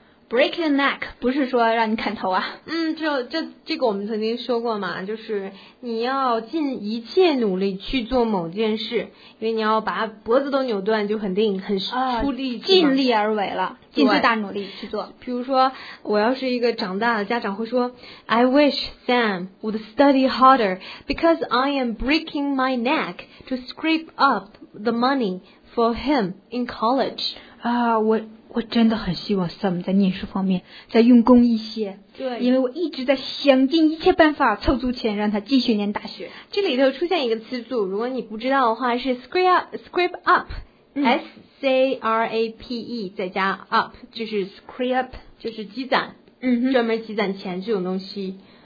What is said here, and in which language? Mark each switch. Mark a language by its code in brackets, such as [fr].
[zh] Break your neck 不是说让你砍头啊。嗯，这个我们曾经说过嘛，就是你要尽一切努力去做某件事，因为你要把脖子都扭断，就肯定很出力气，尽力而为了，尽最大努力去做。比如说，我要是一个长大的家长会说 [en] ，I wish Sam would study harder because I am breaking my neck to scrape up the money for him in college. [zh] 啊，我真的很希望 Sam 在念书方面再用功一些，对，因为我一直在想尽一切办法凑足钱让他继续念大学。这里头出现一个词组，如果你不知道的话，是 scrape up、S-C-R-A-P-E 再加 up， 就是 scrape， 就是积攒、专门积攒钱这种东西。